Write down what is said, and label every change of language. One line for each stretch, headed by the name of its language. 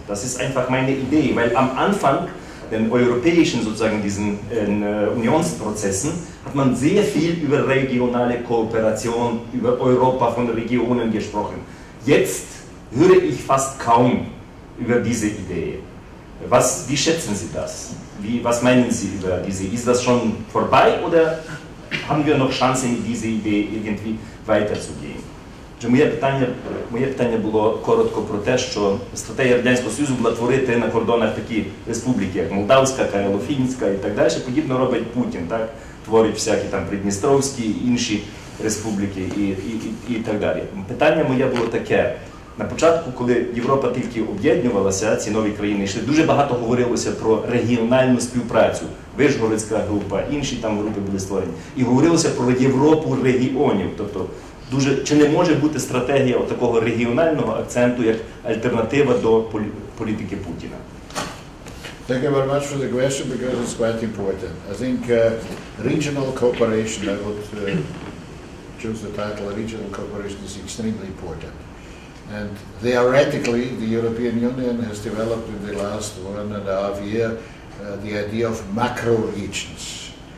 German: Das ist einfach meine Idee, weil am Anfang den europäischen sozusagen diesen Unionsprozessen hat man sehr viel über regionale Kooperation, über Europa von Regionen gesprochen. Jetzt höre ich fast kaum über diese Idee. Wie schätzen Sie das? Was meinen Sie über diese? Ist das schon vorbei oder haben wir noch Chance, mit dieser Idee irgendwie weiterzugehen?
Ukrainian: Моє питання було коротко про те, що стратегія Радянського Союзу була творити на кордонах такі республіки, як Молдавська, Карело-Фінська і так далі. Подібно робить Путін, так? Творить всякі там Придністровські, інші республіки і так далі. Питання моє було таке. На початку, коли Європа тільки об'єднувалася, ці нові країни йшли, дуже багато говорилося про регіональну співпрацю. Вишгородська група, інші там групи були створені. І говорилося про Європу регіонів. Тобто, чи не може бути стратегія такого регіонального акценту як альтернатива до політики Путіна?
English: Thank you very much for the question, because it's quite important. I think regional cooperation, I would choose the title, regional cooperation is extremely important. And theoretically, the European Union has developed in the last 1.5 years the idea of macro-regions.